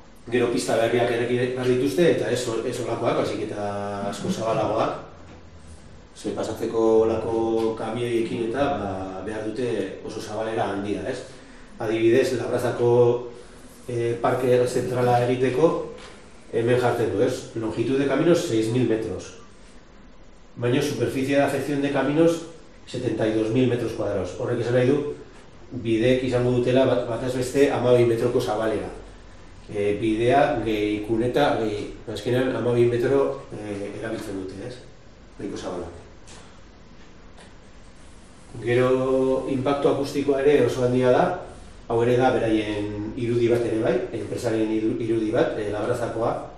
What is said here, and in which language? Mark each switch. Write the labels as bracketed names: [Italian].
[Basque] Gero pista berriak ereki behar dituzte eta ez olakoak, hasik eta asko zabalagoak. Zue pasatzeko olako kamioiekin eta ba, behar dute oso zabalera handia, ez? Adibidez, Labrazako parke zentrala egiteko hemen jartzen du, ez? [Spanish] Longitud de caminos 6.000 metros. [Basque] Baina [Spanish] superficie de afección de caminos 72.000 metros cuadrados. [Basque] Horrek esan nahi du, bidek izango dutela bataz beste 12 metroko zabalera. Bidea gehi kuneta gehi azkenean 12 metro erabiltzen dute, ez? Nahiko zabala. Gero impactu akustikoa ere oso handia da. Hau ere da beraien irudi bat ere bai, enpresaren irudi bat, Labrazakoa.